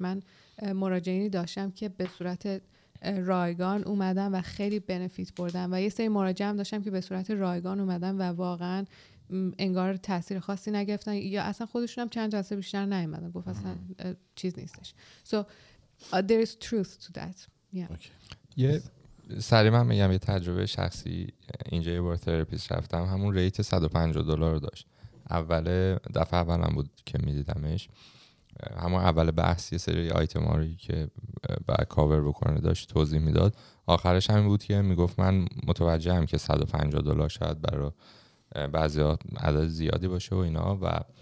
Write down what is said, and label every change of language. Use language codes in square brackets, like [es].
[fa] من مراجعینی داشتم که به صورت رایگان اومدن و خیلی بنفیت بردن و یه سری مراجعه هم داشتم که به صورت رایگان اومدن و واقعا انگار تاثیر خاصی نگرفتن یا اصلا خودشون هم چند جلسه بیشتر نیومدن، گفت اصلا چیز نیستش. [en] So there is truth to that. Yeah. Okay. Yeah. [fa] سری من میگم یه تجربه شخصی، اینجا یه بار تراپیست رفتم، همون ریت 150 دلار داشت. اول دفعه اولم بود که میدیدمش، همون اول بحث یه سری آیتم هایی که باید کاور بکنه داشت توضیح میداد، آخرش همین بود که میگفت من متوجهم که 150 دلار شاید برای بعضی ها عدد زیادی باشه و اینا، و